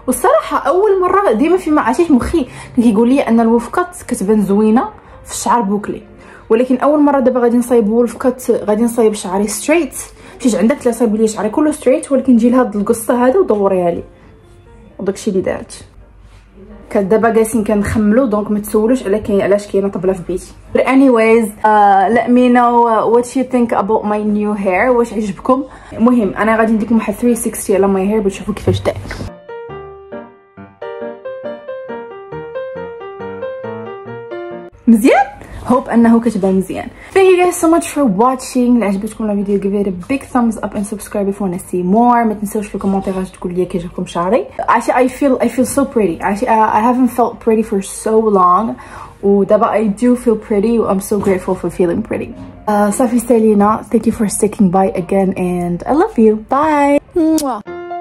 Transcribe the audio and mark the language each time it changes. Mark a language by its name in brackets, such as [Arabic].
[Arabic] والصراحه اول مره ديما فيما عشيش مخي كيقول لي ان الوفكات كتبان زوينه في الشعر بوكلي ولكن اول مره دابا غادي نصايب الوفكات غادي نصايب شعري ستريت. مشيت عندك لا صايب لي شعري كله ستريت ولكن جي لهاد القصه هذا ودوريها لي وداك الشيء اللي دارت. كدابا جالسين كنخملوا دونك ما تسولوش على كاين علاش كاينه طبله في بيتي. [English] But anyways, let me know what you think about my new hair. [Arabic] واش عجبكم؟ المهم انا غادي نديكم واحد 360 على [English] my hair [Arabic] وتشوفوا كيفاش دار. مزيان؟ هوب انه كتبان مزيان. [English] Thank you guys so much for watching. [Arabic] لو عجبتكم الفيديو [English] give it a big thumbs up and subscribe if you want to see more. [Arabic] ما تنساوش في الكومنتات تقول لي كيعجبكم شعري. [English] I feel so pretty. I haven't felt pretty for so long. [Arabic] ودابا [English] I do feel pretty. I'm so grateful for feeling pretty. [Arabic] صافي سالينا. [English] Thank you for sticking by again and I love you. Bye.